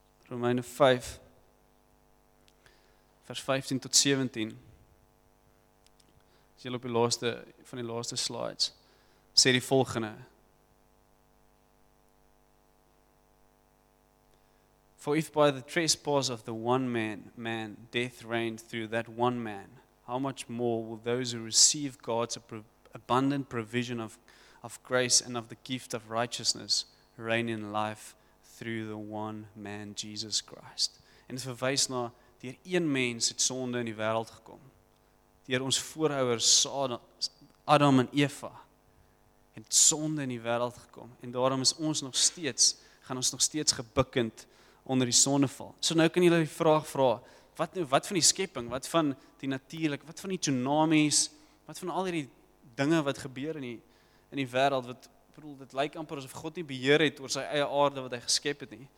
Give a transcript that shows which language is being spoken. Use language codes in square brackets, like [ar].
[af] Romeine 5 vers 15 tot 17. As jy op die laaste van die laaste slides sê die volgende. [en] For if by the trespass of the one man death reigned through that one man, how much more will those who receive God's abundant provision of grace and of the gift of righteousness reign in life through the one man, Jesus Christ. [af] En dit verwys na, deur een mens het sonde in die wêreld gekom. Deur ons voorouers Adam en Eva het sonde in die wêreld gekom. En daarom is ons nog steeds, gaan ons nog steeds gebukkend onder die sondeval. So nou kan julle die vraag vra, wat van die skepping, wat van die natuurlik, wat van die tsunamies, wat van al hierdie dinge wat gebeur in die wêreld, wat, bedoel, dit lyk amper asof God nie beheer het oor sy eie aarde wat hy geskep het nie.